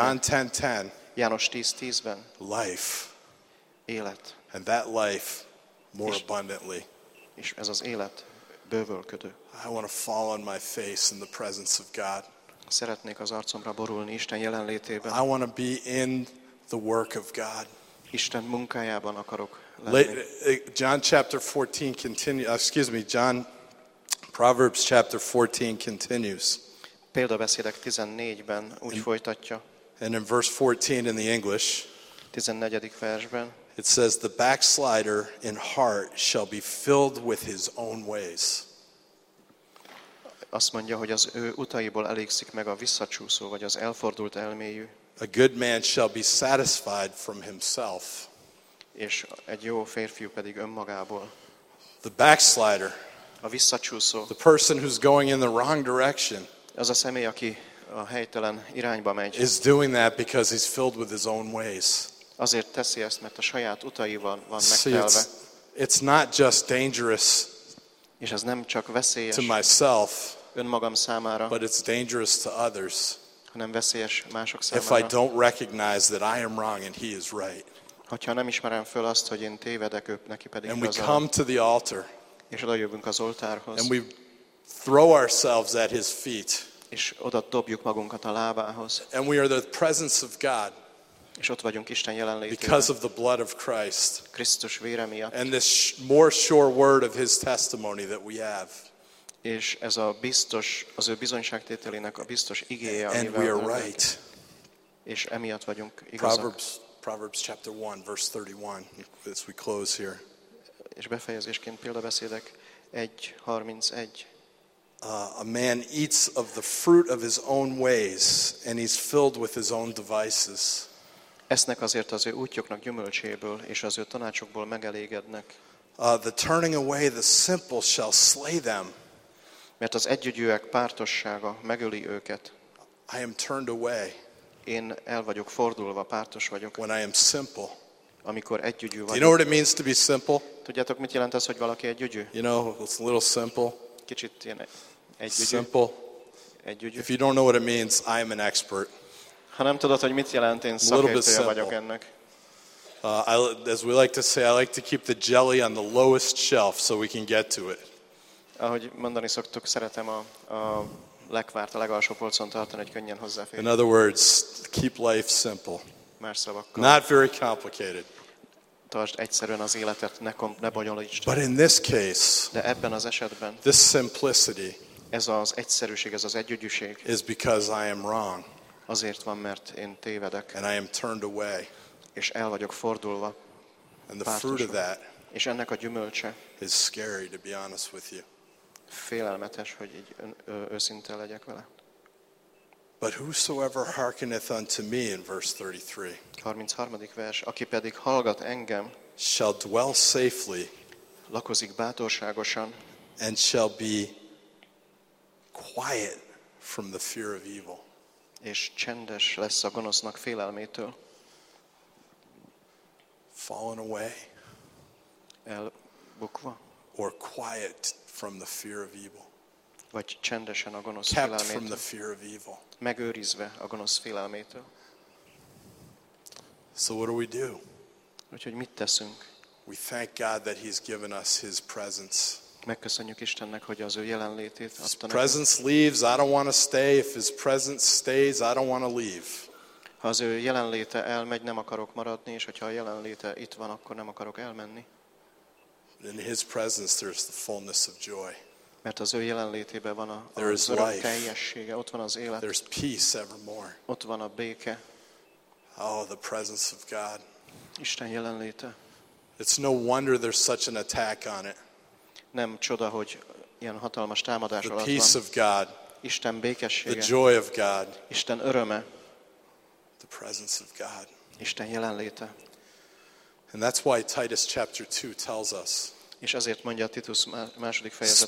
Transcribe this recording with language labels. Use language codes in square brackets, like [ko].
[en] In John 10:10. [hu] János 10:10-ben. [en] Life. [hu] Élet. [en] And that life more abundantly. [hu] És ez az élet bővölködő. [en] I want to fall on my face in the presence of God. [hu] Szeretnék az arcomra borulni Isten jelenlétében. [en] I want to be in the work of God. [hu] Isten munkájában akarok lenni. [en] John chapter 14 John Proverbs chapter 14 continues. [hu] Példabeszédek 14-ben úgy folytatja. [en] And in verse 14 in the English. [hu] 14. versben. [en] It says the backslider in heart shall be filled with his own ways. [hu] Azt mondja, hogy az ő utaiból elégszik meg a visszacsúszó vagy az elfordult elméjű. [en] A good man shall be satisfied from himself. [hu] És egy jó férfiú pedig önmagából. [en] The backslider. [hu] A visszacsúszó. [en] The person who's going in the wrong direction. [hu] Az a személy, aki a helytelen irányba megy. [en] Is doing that because he's filled with his own ways. [hu] Azért teszi ezt, mert a saját utaival van megtelve. [en] It's not just dangerous. [hu] És ez nem csak veszélyes. [en] To myself. [hu] Önmagam számára. [en] But it's dangerous to others. [hu] Hanem veszélyes mások számára. [en] If I don't recognize that I am wrong and he is right. [hu] Hogyha nem ismerem föl azt, hogy én tévedek, ő neki pedig igaza. [en] And we come to the altar. [hu] És oda jövünk az oltárhoz. [en] And we throw ourselves at his feet. [hu] És oda dobjuk magunkat a lábához. [en] And we are the presence of God. [hu] És ott vagyunk Isten jelenlétében. [en] Because of the blood of Christ. [hu] Krisztus vére miatt. [en] And this more sure word of his testimony that we have. [hu] És ez a biztos, az ő bizonyságtételének a biztos igéje, amivel [en] we are right. [hu] És emiatt vagyunk igazak. [en] Proverbs chapter 1 verse 31 as we close here. [hu] És befejezésként példabeszédek 1:31. [en] A man eats of the fruit of his own ways and he's filled with his own devices. [hu] Esznek azért az ő útjuknak gyümölcséből és az ő tanácsokból megelégednek. [en] The turning away the simple shall slay them. [hu] Mert az együgyűek pártossága megöli őket. [en] I am turned away. [hu] Én el vagyok fordulva, pártos vagyok. [en] When I am simple. [hu] Amikor együgyű vagyok. [en] You know what it means to be simple? [hu] Tudjátok, mit jelent az, hogy valaki együgyű? [en] You know, it's a little simple. [hu] Kicsit ilyen együgyű. [en] Simple. [hu] Együgyű. [en] If you don't know what it means, I am an expert. [hu] Ha nem tudod, hogy mit jelent, én szakértője vagyok ennek. [en] As we like to say, I like to keep the jelly on the lowest shelf so we can get to it. [hu] Ahogy mondani szoktuk, szeretem a lekvárt, a legalsó polcon tartani, hogy könnyen hozzáférjen. [en] In other words, keep life simple. [hu] Más szavakkal. [en] Not very complicated. [hu] Tartsd egyszerűen az életet, ne bonyolítsd. [en] But in this case, [hu] de ebben az esetben, [en] this simplicity, [hu] ez az egyszerűség, ez az együgyűség, [en] is because I am wrong. [hu] Azért van, mert én tévedek. [en] And I am turned away. [hu] És el vagyok fordulva. [en] And the fruit of that, [hu] és ennek a gyümölcse, [en] is scary, to be honest with you. [hu] Félelmetes, hogy így őszinte legyek vele. [en] But whosoever hearkeneth unto me in verse 33. [hu] 33. vers, aki pedig hallgat engem, [en] shall dwell safely, [hu] lakozik bátorságosan, [en] and shall be quiet from the fear of evil. [hu] És csendes lesz a gonosznak félelmétől. [en] Fallen away. [hu] Elbukva. [en] Or quiet from the fear of evil. [hu] Vagy csendesen a gonosz félelmétől. [en] From the fear of evil. [hu] Megőrizve a gonosz félelmétől. [en] So what do we do? [hu] Úgyhogy mit teszünk? [en] We thank God that he's given us his presence. [hu] Megköszönjük Istennek, hogy az ő jelenlétét adta nekünk. [en] His presence leaves, I don't want to stay. If his presence stays, I don't want to leave. [hu] Ha az ő jelenléte elmegy, nem akarok maradni, és hogyha a jelenléte itt van, akkor nem akarok elmenni. [en] In his presence there's the fullness of joy. [hu] Mert az ő jelenlétében van az örök teljessége, ott van az élet. [en] There's peace evermore. [hu] Ott van a béke. [en] Oh, the presence of God. [hu] Isten jelenléte. [en] It's no wonder there's such an attack on it. [hu] Nem csoda, hogy ilyen hatalmas támadás alatt van. [en] The peace of God. [hu] Isten békessége. [en] The joy of God. [hu] Isten öröme. [en] The presence of God. [hu] Isten jelenléte. [en] And that's why Titus chapter 2 tells us. [hu] És ezért mondja a Titus második fejezetben.